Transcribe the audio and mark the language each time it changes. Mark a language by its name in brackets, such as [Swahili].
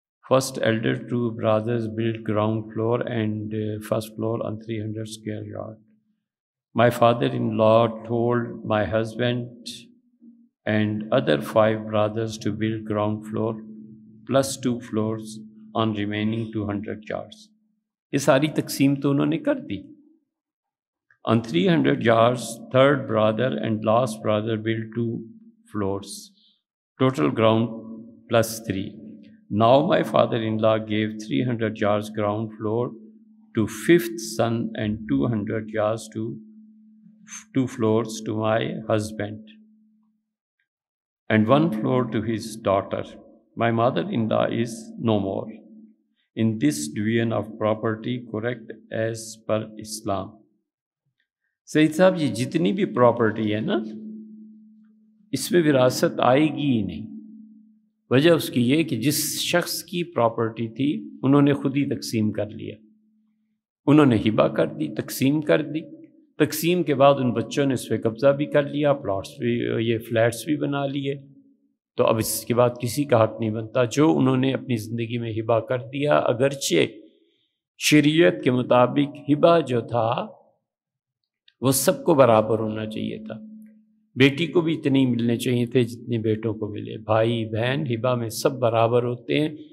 [English] First elder 2 brothers build ground floor and first floor on 300 square yard. My father in law told my husband and other 5 brothers to build ground floor plus 2 floors on remaining 200 yards. [Urdu] یہ ساری تقسیم تو انہوں نے کر دی. [English] On 300 yards, third brother and last brother built 2 floors, total ground plus 3. Now my father-in-law gave 300 yards ground floor to 5th son and 200 yards to 2 floors to my husband and 1 floor to his daughter. My mother-in-law is no more in this division of property correct as per Islam. [Urdu] سعید صاحب, یہ جتنی بھی property ہے نا, اس میں وراثت آئے گی ہی نہیں. وجہ اس کی یہ کہ جس شخص کی پراپرٹی تھی انہوں نے خود ہی تقسیم کر لیا, انہوں نے ہبہ کر دی، تقسیم کر دی، تقسیم کے بعد ان بچوں نے اس پہ قبضہ بھی کر لیا، پلاٹس بھی، یہ فلیٹس بھی بنا لیے، تو اب اس کے بعد کسی کا حق نہیں بنتا جو انہوں نے اپنی زندگی میں ہبہ کر دیا، اگرچہ شریعت کے مطابق ہبہ جو تھا وہ سب کو برابر ہونا چاہیے تھا، بیٹی کو بھی اتنی ملنے چاہیے تھے جتنے بیٹوں کو ملے، بھائی بہن ہبہ میں سب برابر ہوتے ہیں،